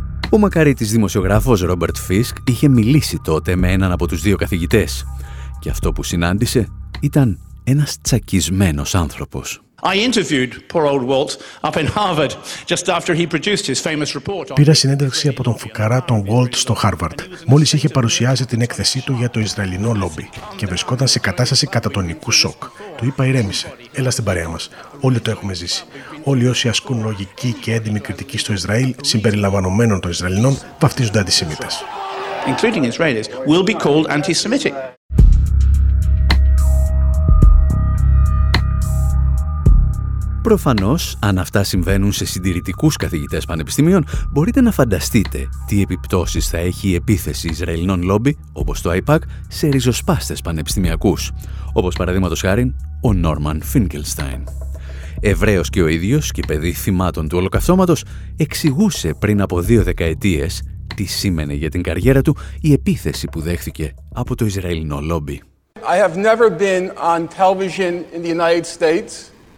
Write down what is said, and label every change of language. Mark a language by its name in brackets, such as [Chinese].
[Greek] Ο μακαρίτης δημοσιογράφος Ρόμπερτ Φίσκ είχε μιλήσει τότε με έναν από τους δύο καθηγητές. Και αυτό που συνάντησε ήταν ένας τσακισμένος άνθρωπος. [English] I interviewed poor old Walt up in Harvard just after he produced his famous report. [Greek] Πήρα συνέντευξη από τον φουκαρά τον Walt στο Harvard, μόλις είχε παρουσιάσει την έκθεσή του για το Ισραηλινό λόμπι και βρισκόταν σε κατάσταση κατατονικού σοκ. Του είπα ηρέμησε, έλα στην παρέα μας. Όλοι το έχουμε ζήσει. Όλοι όσοι ασκούν λογική και έντιμη κριτική στο Ισραήλ, συμπεριλαμβανομένων των Ισραηλινών, βαφτίζονται αντισημίτες. [English] Including Israelis will be called anti-Semitic. [Greek] Προφανώς, αν αυτά συμβαίνουν σε συντηρητικούς καθηγητές πανεπιστημίων, μπορείτε να φανταστείτε τι επιπτώσεις θα έχει η επίθεση Ισραηλινών λόμπι, όπως το IPAC, σε ριζοσπάστες πανεπιστημιακούς, όπως παραδείγματος χάρη ο Νόρμαν Φίνκελστάιν. Εβραίος και ο ίδιος και παιδί θυμάτων του Ολοκαυτώματος, εξηγούσε πριν από 2 δεκαετίες τι σήμαινε για την καριέρα του η επίθεση που δέχθηκε από το Ισραηλινό λόμπι. [English] I have never been on television in the United States.